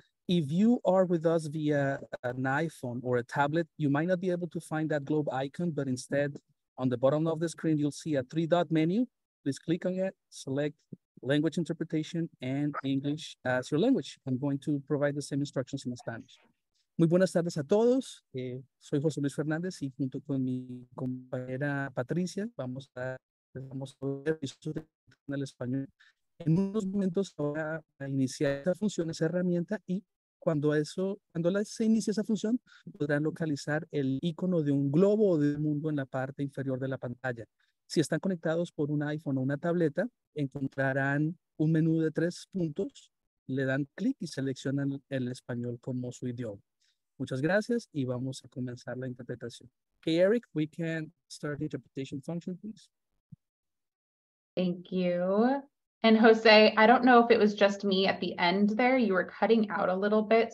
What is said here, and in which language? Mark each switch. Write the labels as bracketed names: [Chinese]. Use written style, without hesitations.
[English] If you are with us via an iPhone or a tablet, you might not be able to find that globe icon, but instead, on the bottom of the screen, you'll see a three-dot menu. Please click on it, select language interpretation and English as your language. I'm going to provide the same instructions in Spanish. [Spanish] Muy buenas tardes a todos. Soy José Luis Fernández y junto con mi compañera Patricia, vamos a ver en el español. En unos momentos ahora iniciar esta función, esa herramienta, y cuando se inicie esa función, podrán localizar el icono de un globo o de un mundo en la parte inferior de la pantalla. Si están conectados por un iPhone o una tableta, encontrarán un menú de tres puntos, le dan clic y seleccionan el español como su idioma. Muchas gracias y vamos a comenzar la interpretación. [English] Okay, Eric, we can start the interpretation function, please. Thank you. And Jose, I don't know if it was just me at the end there, you were cutting out a little bit.